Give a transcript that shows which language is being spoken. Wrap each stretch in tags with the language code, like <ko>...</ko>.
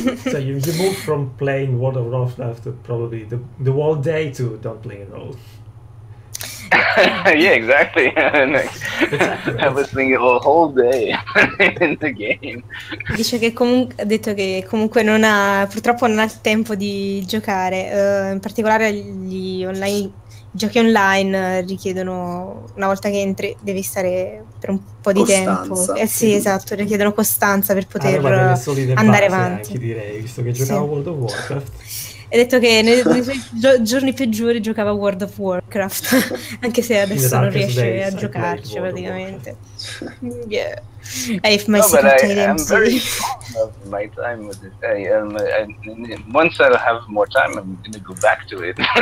<en>So you move from playing World of Warcraft to probably the whole day to don't play at all. Yeah, exactly. I was thinking the whole day in the game.</en> <it>Dice che ha detto che comunque non ha, purtroppo non ha il tempo di giocare, in particolare gli online giochi online richiedono, una volta che entri devi stare per un po' di tempo. Sì, esatto, richiedono costanza per poter andare avanti. Anche, direi, visto che giocavo World of Warcraft. Hai detto che nei suoi giorni peggiori giocava World of Warcraft, anche se adesso non riesce a giocarci praticamente.</it> <en>Yeah. Once I have more time, I'm gonna go back to it.</en>